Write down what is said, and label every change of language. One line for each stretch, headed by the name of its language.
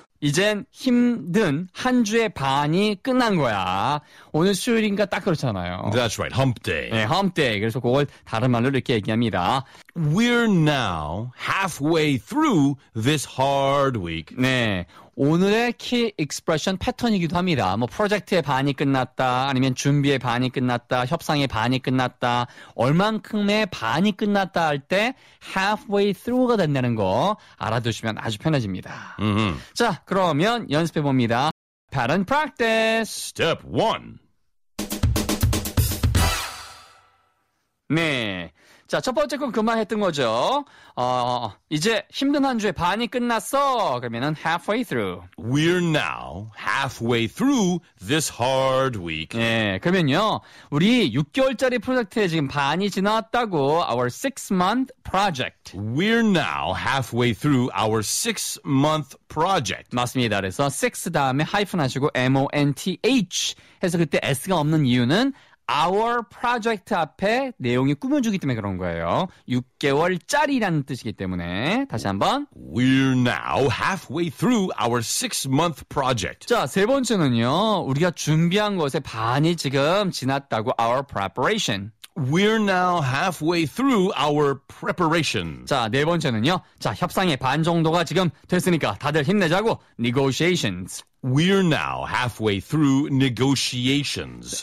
Korean: 이젠 힘든 한 주의 반이 끝난 거야. 오늘 수요일인가 딱 그렇잖아요.
English: That's right. Hump day.
Korean: 네,
English: hump day.
Korean: 그래서 그걸 다른 말로 이렇게 얘기합니다.
English: We're now halfway through this hard week.
Korean: 네. 오늘의 key expression 패턴이기도 합니다. 뭐 프로젝트의 반이 끝났다, 아니면 준비의 반이 끝났다, 협상의 반이 끝났다, 얼만큼의 반이 끝났다 할 때 halfway through가 된다는 거 알아두시면 아주 편해집니다. 자, 그러면 연습해 봅니다.
English: Pattern practice. Step 1.
Korean: 네. 자, 첫 번째 건 그만 했던 거죠. 이제 힘든 한 주의 반이 끝났어. 그러면은
English: halfway through. We're now halfway through this hard week.
Korean: 네, 그러면요. 우리 6개월짜리 프로젝트에 지금 반이 지났다고.
English: Our 6-month project. We're now halfway through our 6-month project.
Korean: 맞습니다. 그래서 6 다음에 hyphen 하시고 M-O-N-T-H 해서 그때 S가 없는 이유는 Our project 앞에 내용이 꾸며주기 때문에 그런 거예요. 6개월짜리라는 뜻이기 때문에 다시 한번
English: We're now halfway through our 6-month project.
Korean: 자, 세 번째는요. 우리가 준비한 것의 반이 지금 지났다고
English: Our preparation. We're now halfway through our preparation.
Korean: 자, 네 번째는요. 자, 협상의 반 정도가 지금 됐으니까 다들 힘내자고 negotiations.
English: We're now halfway through negotiations.